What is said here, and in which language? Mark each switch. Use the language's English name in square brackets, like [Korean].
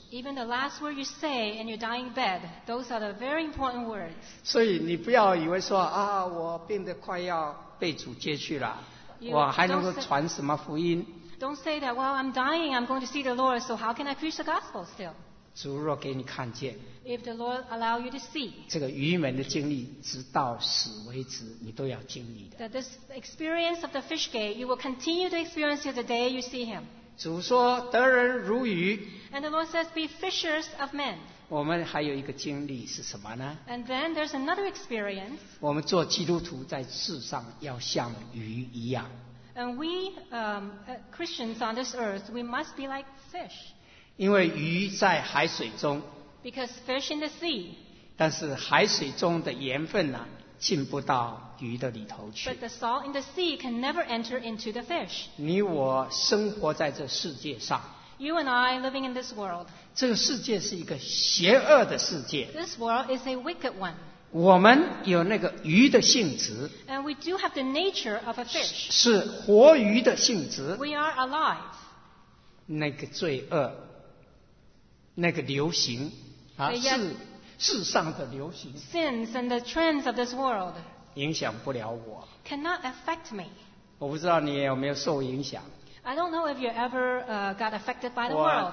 [English] Even the last word you say in your dying bed, those are the very important words. [Chinese] 所以你不要以为说啊，我病得快要被主接去了，我还能够传什么福音？ [English] Don't say that. Well, I'm dying. I'm going to see the Lord. So how can I preach the gospel still? [Chinese] 主若给你看见， [English] if the Lord allow you to see, [Chinese] 这个愚门的经历，直到死为止，你都要经历的。 [English] That this experience of the fish gate, you will continue to experience till the day you see Him. [Chinese] 主说得人如鱼。 [English] And the Lord says, be fishers of men. [Chinese] 我们还有一个经历是什么呢？ [English] And then there's another experience. [Chinese] 我们做基督徒在世上要像鱼一样。 [English] And we, Christians on this earth, we must be like fish. [Chinese] 因为鱼在海水中。 [English] Because fish in the sea. [Chinese] 但是海水中的盐分呢，进不到鱼的里头去。 [English] But the salt in the sea can never enter into the fish. [Chinese] 你我生活在这世界上。 [English] You and I living in this world. [Chinese] 这个世界是一个邪恶的世界。 [English] This world is a wicked one. [Chinese] 我们有那个鱼的性质。 [English] And we do have the nature of a fish. [Chinese] 是活鱼的性质。 [English] We are alive. [Chinese] 那个罪恶，那个流行啊，是世上的流行。 [English] Sins and the trends of this world. [Chinese] 影响不了我。 [English] Cannot affect me. [Chinese] 我不知道你有没有受影响。 [English] I don't know if you ever got affected by the world.